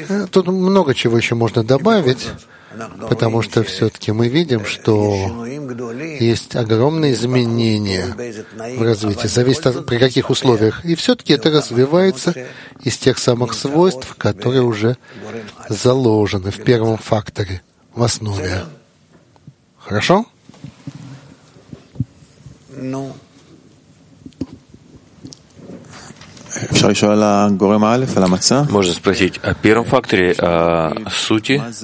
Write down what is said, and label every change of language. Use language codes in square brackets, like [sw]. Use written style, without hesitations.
[ru] Тут много чего еще можно добавить, потому что все-таки мы видим, что есть огромные изменения в развитии, зависит от при каких условиях, и все-таки это развивается из тех самых свойств, которые уже заложены в первом факторе, в основе. Хорошо? [he] Ну, אפשר לשאול על הגורם א', על המצה? [ru] можно спросить о первом факторе, о сути.